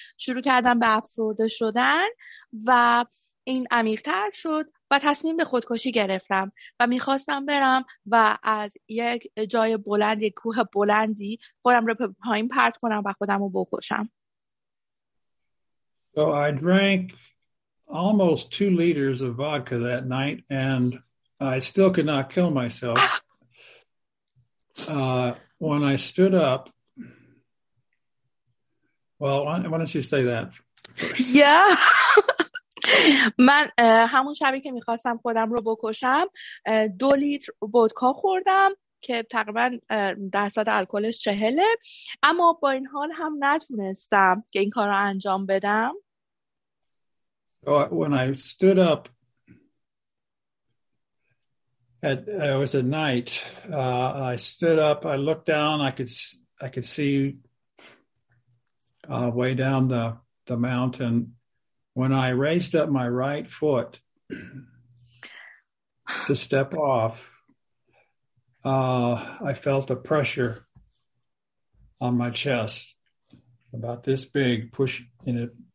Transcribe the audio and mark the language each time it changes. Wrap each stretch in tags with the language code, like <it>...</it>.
<fa>شروع کردم به افسرده شدن و این عمیق‌تر شد و تصمیم به خودکشی گرفتم و میخواستم برم و از یک جای بلند، یک کوه بلندی خودم رو پایین پرت کنم و خودم رو بکشم.</fa> <en>So I drank almost 2 liters of vodka that night, and I still could not kill myself. When I stood up, well, why don't you say that first? Yeah.</en> <fa>من همون شبی که میخواستم خودم رو بکشم 2 لیتر ودکا خوردم که تقریبا درصد الکلش 40، اما با این حال هم نتونستم که این کار رو انجام بدم.</fa> <en>When I stood up, it was at night. I stood up. I looked down. I could see way down the mountain. When I raised up my right foot to step off, I felt a pressure on my chest, about this big, push in it.</en>